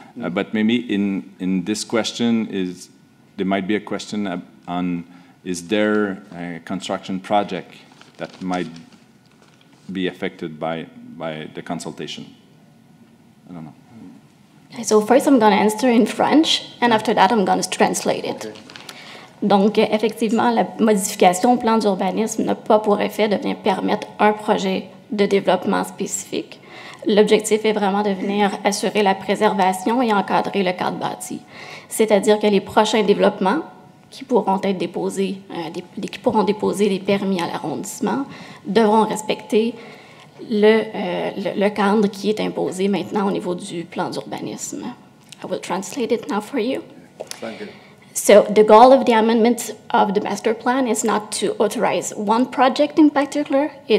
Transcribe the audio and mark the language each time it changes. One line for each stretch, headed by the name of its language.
English: But maybe in this question is there might be a question on is there a construction project that might be affected by the consultation? I don't know. So first, I'm going to answer in French, and after that, I'm going to translate it.
French: Donc, effectivement, la modification au plan d'urbanisme n'a pas pour effet de venir permettre un projet de développement spécifique. L'objectif est vraiment de venir assurer la préservation et encadrer le cadre bâti. C'est-à-dire que les prochains développements qui pourront être déposés, qui pourront déposer des permis à l'arrondissement, devront respecter le cadre qui est imposé maintenant au niveau du plan d'urbanisme.
English: I will translate it now for you. Thank you. So the goal of the amendment of the master plan is not to authorize one project in particular.